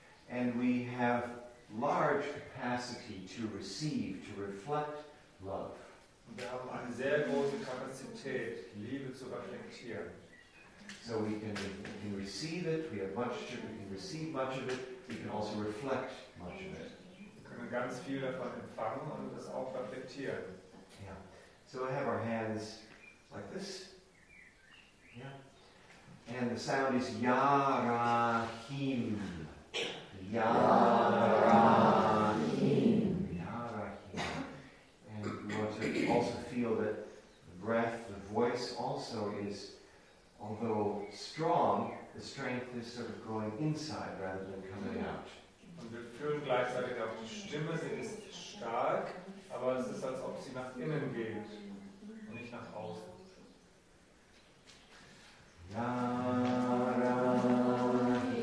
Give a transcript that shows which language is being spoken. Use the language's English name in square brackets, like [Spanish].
[English] And we have large capacity to receive, to reflect love. [German] Wir haben eine sehr große Kapazität, Liebe zu reflektieren. [English] So we can receive it. We can receive much of it. We can also reflect much of it. [German] Wir können ganz viel davon empfangen und das auch reflektieren. [English] Yeah. So I have our hands like this. Yeah. And the sound is Yarahim. Yarahim. And we want to also feel that the breath, the voice also is, although strong, the strength is sort of going inside rather than coming out. [German] Und wir fühlen gleichzeitig auch die Stimme, sie ist stark, aber es ist, als ob sie nach innen geht und nicht nach außen.